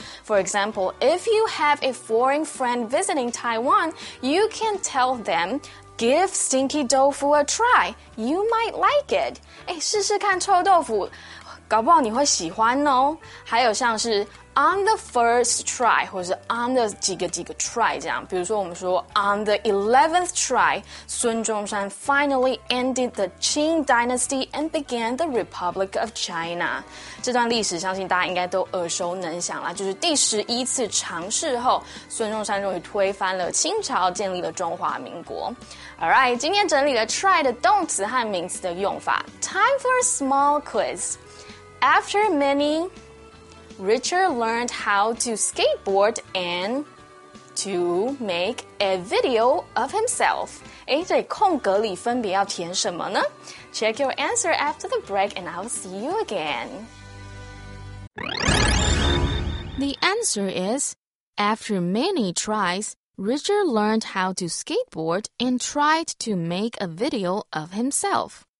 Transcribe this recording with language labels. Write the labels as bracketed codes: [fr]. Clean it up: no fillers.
[en] For example, if you have a foreign friend visiting Taiwan, you can tell them. Give stinky tofu a try. You might like it. [zh] 试试看臭豆腐，搞不好你会喜欢哦。还有像是 [en] on the first try, [zh] 或是 on the 几个几个 try 这样。比如说我们说 [en] on the 11th try, [zh] 孙中山 [en] finally ended the Qing dynasty and began the Republic of China. [zh] 这段历史相信大家应该都耳熟能详啦，就是第十一次尝试后，孙中山终于推翻了清朝，建立了中华民国。 [en] Alright, [zh] 今天整理了 try 的动词和名词的用法。 [en] Time for a small quiz. After many, Richard learned how to skateboard and to make a video of himself. [zh] 这空格里分别要填什么呢? [en] Check your answer after the break and I'll see you again. The answer is, after many tries,Richard learned how to skateboard and tried to make a video of himself.